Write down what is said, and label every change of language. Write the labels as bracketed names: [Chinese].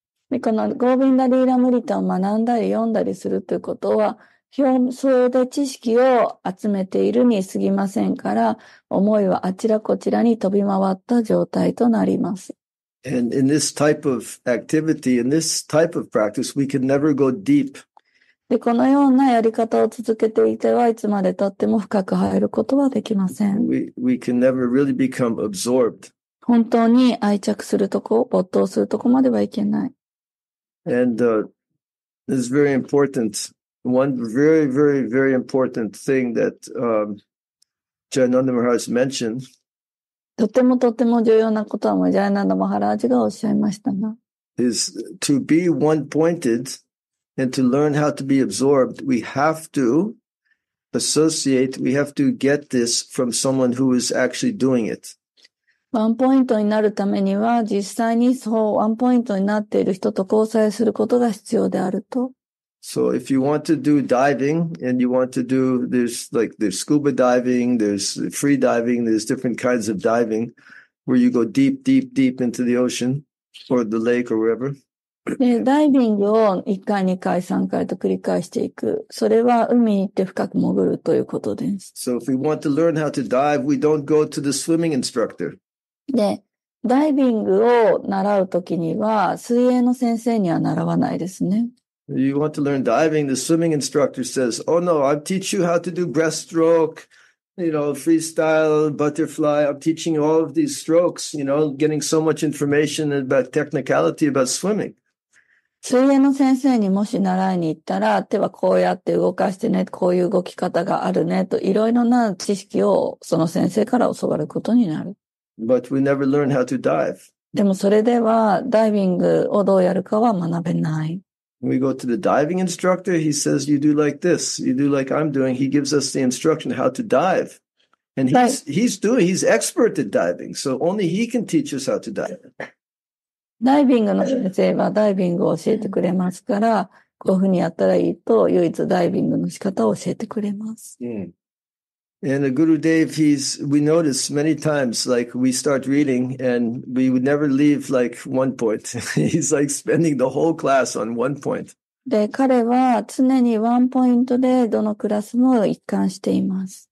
[Japanese] で、このゴビンダリーラムリタを学んだり読んだりするということは、表層で知識を集めているに過ぎませんから、思いはあちらこちらに飛び回った状態となります。 [English] And in this type of activity, in this type of practice, we can never go deep. [Japanese] で、このようなやり方を続けていては、いつまで経っても深く入ることはできません。 [English] We can never really become absorbed. [Japanese] 本当に愛着するとこ、没頭するとこまではいけない。 [English] And, this is very important. One very, very, very important thing that, Jayananda Maharaj mentioned. [Japanese] とてもとても重要なことは、ジャイナンダ・マハラージがおっしゃいましたが。 [English] is to be one-pointedAnd to learn how to be absorbed, we have to associate, we have to get this from someone who is actually doing it. [Japanese] ワンポイントになるためには、実際にそうワンポイントになっている人と交際することが必要であると。 [English] So if you want to do diving, and you want to do, there's scuba diving, there's free diving, there's different kinds of diving, where you go deep, deep, deep into the ocean, or the lake, or wherever. [Japanese] で、ダイビングを1回、2回、3回と繰り返していく。それは海に行って深く潜るということです。 [English] So if we want to learn how to dive, we don't go to the swimming instructor. [Japanese] で、ダイビングを習うときには、水泳の先生には習わないですね。 [English] You want to learn diving, the swimming instructor says, oh no, I'll teach you how to do breaststroke, you know, freestyle, butterfly. I'm teaching you all of these strokes, you know, getting so much information about technicality about swimming. [Japanese] 水泳の先生にもし習いに行ったら、手はこうやって動かしてね、こういう動き方があるね、といろいろな知識をその先生から教わることになる。 [English] But we never learn how to dive. [Japanese] でもそれではダイビングをどうやるかは学べない。 [English] We go to the diving instructor. He says, you do like this. You do like I'm doing. He gives us the instruction how to dive. And he's expert at diving. So only he can teach us how to dive. [Japanese] ダイビングの先生はダイビングを教えてくれますから、こういうふうにやったらいいと、唯一ダイビングの仕方を教えてくれます。 [English] Yeah. And Guru Dev, we notice many times, like we start reading and we would never leave like one point. He's like spending the whole class on one point. [Japanese] で、彼は常にワンポイントでどのクラスも一貫しています。